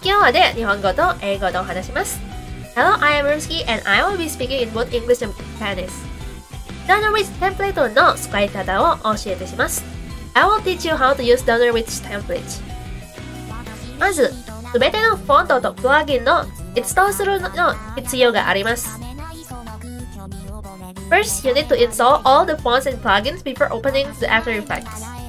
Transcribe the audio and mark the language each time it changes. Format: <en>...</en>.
<ja>今日はで日本語と英語でお話します。</ja> <en>Hello, I am Rumsky and I will be speaking in both English and Japanese.</en> <ja>Donorwich Template の使い方を教えてします。</ja> <en>I will teach you how to use Donorwich Template.</en> <ja>まず、すべてのフォントとプラグインのインストールするの必要があります。</ja> <en>First, you need to install all the fonts and plugins before opening the After Effects.</en>